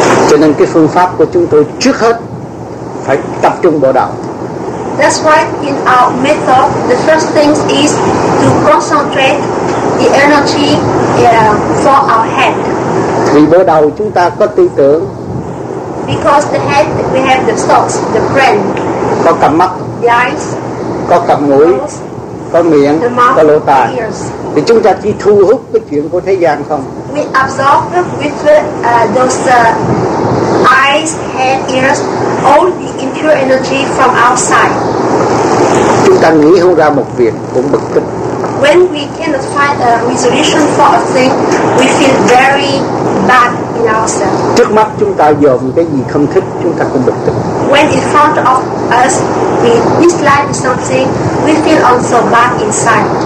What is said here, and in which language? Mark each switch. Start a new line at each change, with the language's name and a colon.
Vietnamese: Cho nên cái phương pháp của chúng tôi trước hết phải tập trung bộ đạo.
English: That's why in our method, the first thing is to concentrate the energy for our head.
Vietnamese: Vì bộ đầu chúng ta có tư tưởng.
English: Because the head, we have the thoughts, the brain.
Vietnamese: Có cặp mắt.
English: The eyes.
Vietnamese: Có cặp mũi. Có miệng.
English: The mouth,
Vietnamese: có lỗ tai.
English: The ears.
Vietnamese: Thì chúng ta chỉ thu hút cái chuyện của thế gian không?
English: We absorb with those eyes, head, ears, all the impure energy from outside.
Vietnamese: chúng ta nghĩ không ra một việc cũng bực tức.
English: When we cannot find a resolution for a thing, we feel very bad in ourselves.
Vietnamese: Trước mắt chúng ta dòm cái gì không thích, chúng ta cũng bực tức.
English: When in front of us we dislike something, we feel also bad inside.